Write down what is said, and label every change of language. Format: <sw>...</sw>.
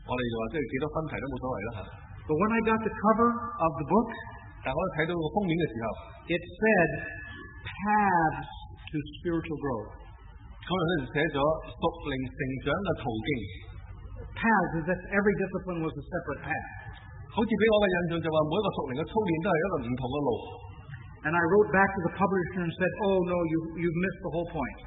<yue>我哋就话即系几多分题都冇所谓啦吓。</yue> <en>But when I got the cover of the book,</en> <yue>但我睇到个封面嘅时候</yue> <en>，it said Paths to Spiritual Growth.</en> <yue>可能咧写咗属灵成长嘅途径。</yue> <en>Paths is that every discipline was a separate path.</en> <yue>好似俾我嘅印象就话每一个属灵嘅操练都系一个唔同嘅路。</yue> <en>And I wrote back to the publisher and said, "Oh no, you've missed the whole point."</en>